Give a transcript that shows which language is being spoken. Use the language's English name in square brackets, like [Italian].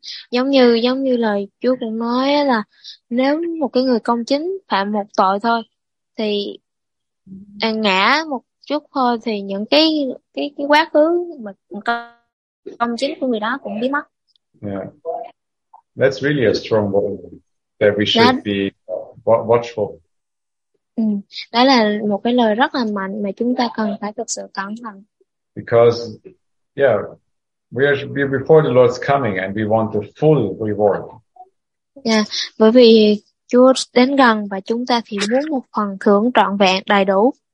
[Vietnamese] Giống như lời Chúa cũng nói là nếu một cái người công chính phạm một tội thôi thì ngã một chút thôi thì những cái quá khứ mà công chính của người đó cũng biến mất. [English] Yeah, that's really a strong word that we should be watchful. Đó là một cái lời rất là mạnh mà chúng ta cần phải thực sự cẩn thận. Because we are before the Lord's coming and we want the full reward. [Vietnamese] Yeah, bởi vì Chúa đến gần và chúng ta thì muốn một phần thưởng trọn vẹn đầy đủ.